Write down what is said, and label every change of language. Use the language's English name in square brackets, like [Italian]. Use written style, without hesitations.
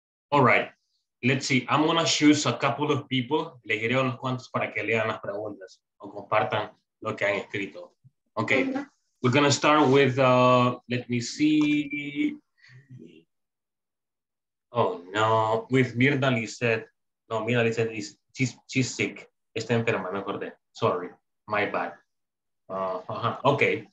[English] All right. Let's see. I'm going to choose a couple of people. [Spanish] Elegiré unos cuantos para que lean las preguntas o compartan lo que han escrito. [English] Okay. We're going to start with, let me see. Oh, no. With Mirna Lizette. No, Mirna Lizette, she's sick. [Spanish] Está enferma, me acordé. [English] Sorry. My bad. Okay.